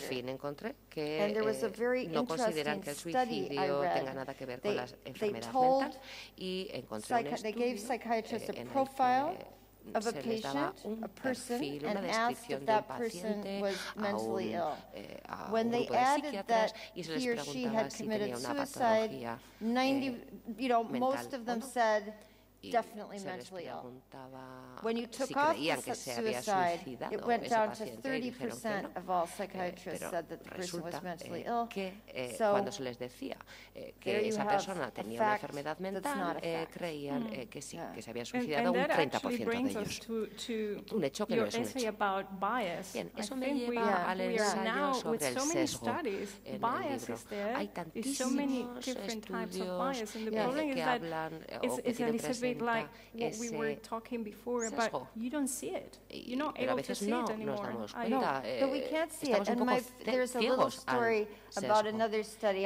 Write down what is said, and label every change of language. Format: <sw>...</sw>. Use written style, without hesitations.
<es>Por fin encontré que no consideran que el suicidio tenga nada que ver con las enfermedades mentales y encontré un estudio</es> <en>they gave psychiatrists a profile of a patient, a person, and asked if that person was mentally ill. When they added that he or she had committed suicide, most of them said definitely mentally ill. When you took off the suicide, it went down to 30% of all psychiatrists said that the person was mentally ill.</en> <es>So, cuando se les decía que esa persona tenía una enfermedad mental, creían que sí, que se había suicidado un 30% de ellos. Un hecho que no es un hecho. Bien, eso me lleva al ensayo sobre el sesgo en el libro. Hay tantísimos estudios que hablan o que tienen presencia.</es> <en>A bit like what we were talking before about you don't see it. You're not able to see</en> <es>no</es> <en>it anymore. But we can't see it. And there's a little story about another study.</en>